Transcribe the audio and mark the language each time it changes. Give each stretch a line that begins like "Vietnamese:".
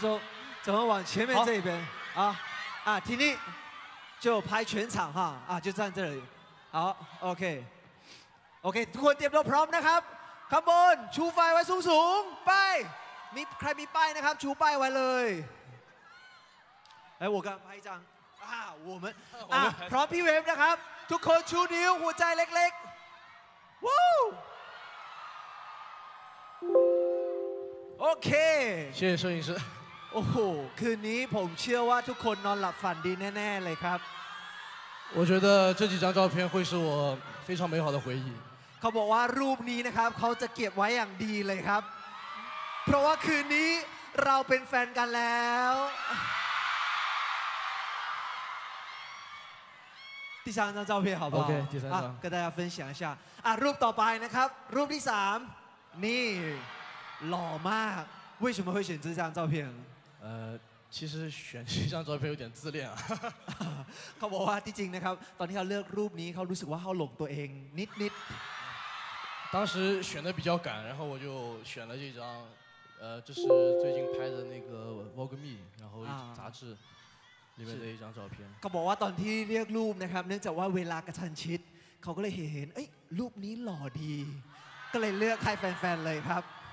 Chinese: 周怎么往前面这一边啊啊婷婷就拍全场哈啊就站这里好 OK OK 突然点到 prompt 那看看不看出发外送送拜你快咪拜那看出拜完了哎我刚拍一张啊我们啊 prompt PWM 那看突然出牛我在勒勒哇OK 谢谢摄影师
Thai: โอ้โหคืนนี้ผมเชื่อว่าทุกคนนอนหลับฝันดีแน่ๆเลยครับ
Chinese: 我觉得这几张照片会是我非常美好的回忆
Thai: เขาบอกว่ารูปนี้นะครับเขาจะเก็บไว้อย่างดีเลยครับเพราะว่าคืนนี้เราเป็นแฟนกันแล้ว
Chinese: 第三张照片好不好 OK 第三张跟大家分享一下
Thai: รูปต่อไปนะครับรูปที่สามนี่
Chinese: 老吗为什么会选这张照片其实选这张照片有点自恋啊
Thai: เขาบอกว่าที่จริงนะครับตอนที่เขาเลือกรูปนี้เขารู้สึกว่าเขาหลงตัวเองนิดนิด
Chinese: 当时选的比较赶然后我就选了这张这是最近拍的那个 Vogue Me 然后杂志里面的一张照片
Thai: เขาบอกว่าตอนที่เลือกรูปนะครับเนื่องจากว่าเวลากระชันชิดเขาก็เลยเห็นเอ้ยรูปนี้หล่อดีก็เลยเลือกให้แฟนๆเลยครับ